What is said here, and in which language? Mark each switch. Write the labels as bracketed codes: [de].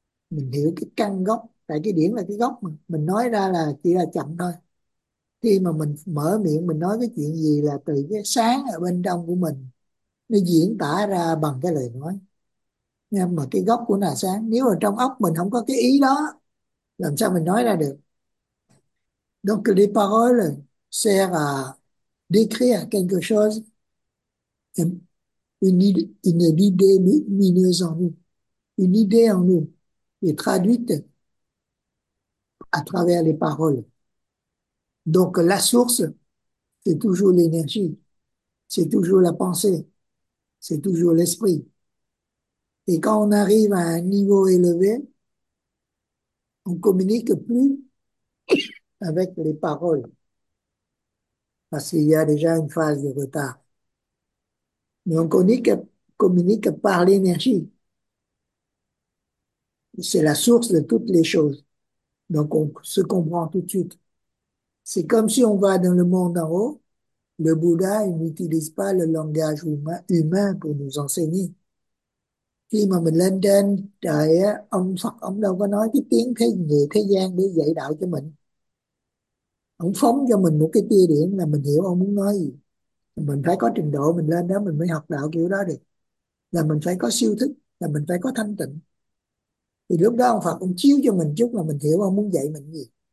[vi] Mình hiểu cái căn gốc, tại cái điểm là cái gốc mà. Mình nói ra là chỉ là chậm thôi. Khi mà mình mở miệng mình nói cái chuyện gì là từ cái sáng ở bên trong của mình nó diễn tả ra bằng cái lời nói. Nhưng mà cái gốc của nó là sáng. Nếu mà trong óc mình không có cái ý đó, làm sao mình nói ra được? [fr] Donc les paroles servent à décrire quelque chose, une idée lumineuse en nous, une idée en nous est traduite à travers les paroles. Donc la source, c'est toujours l'énergie, c'est toujours la pensée. C'est toujours l'esprit. Et quand on arrive à un niveau élevé, on communique plus avec les paroles. Parce qu'il y a déjà une phase de retard. Mais on communique par l'énergie. C'est la source de toutes les choses. Donc on se comprend tout de suite. C'est comme si on va dans le monde d'en haut. Le Bouddha, il n'utilise pas le langage humain pour nous enseigner. [vi] Khi mà mình lên trên trời á, ông Phật ông đâu có nói cái tiếng thế người thế gian để dạy đạo cho mình. Ông phóng cho mình một cái tia điện là mình hiểu ông muốn nói gì. Mình phải có trình độ, mình lên đó mình mới học đạo kiểu đó được. Là mình phải có siêu thức, là mình phải có thanh tịnh. Thì lúc đó ông Phật ông chiếu cho mình chút là mình hiểu ông muốn dạy mình gì.